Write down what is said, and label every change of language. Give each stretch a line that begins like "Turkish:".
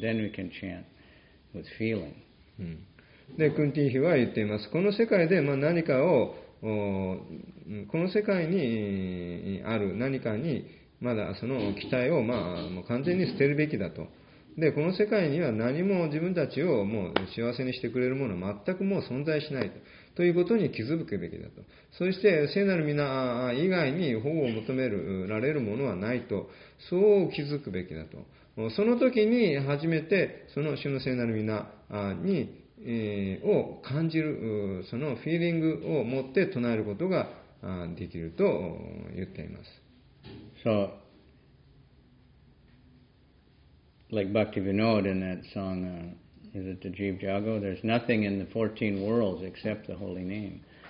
English: Then we can chant with feeling.
Japanese: で、クンティ妃は言っています。この世界で、まあ、何かをこの世界にある何かにまだその期待を、まあ、もう完全に捨てるべきだと。で、この世界には何も自分たちをもう幸せにしてくれるものは全くもう存在しないと。ということに気づくべきだと。そして、聖なる皆以外に保護を求められるものはないと、そう気づくべきだと。その時に初めて、その主の聖なる皆に、を感じる、そのフィーリングを持って唱えることができると言っています。
English: So, like Bhaktivinod in that song,Is it the Jeev Jago? There's nothing in the 14 worlds except the holy name.